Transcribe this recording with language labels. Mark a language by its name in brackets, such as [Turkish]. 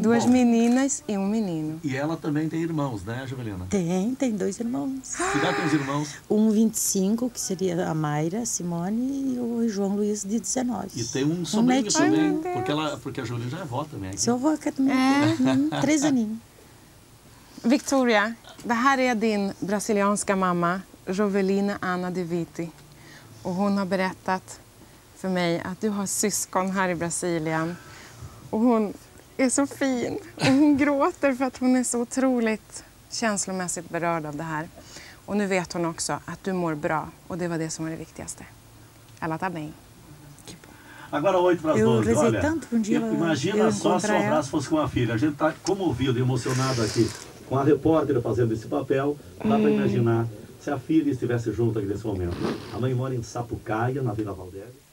[Portuguese] Duas meninas e um menino. E ela também tem irmãos, né, Jovelina? Tem 2 irmãos. Que idade tem os irmãos? Um 25, que seria a Mayra, a Simone, e o João Luiz, de 19. E tem um sobrinho também, porque a Jovelina já é avó também. Sou avó também. É. 3 aninhos. [Swedish] Victoria, det här är din brasilianska mamma, Jovelina Ana de Vitti. Och hon har berättat för mig att du har syskon här i Brasilien och hon är så fin och hon gråter för att hon är så otroligt känslomässigt berörd av det här. Och nu vet hon också att du mår bra och det var det som var det viktigaste. [Portuguese] Ela tá bem. Agora 8 para as 12, eu olha, tanto um dia imagina eu só se o abraço fosse com a filha, a gente está comovido e emocionado aqui com a repórter fazendo esse papel, dá para imaginar se a filha estivesse junto aqui nesse momento. A mãe mora em Sapucaia, na Vila Valdélia.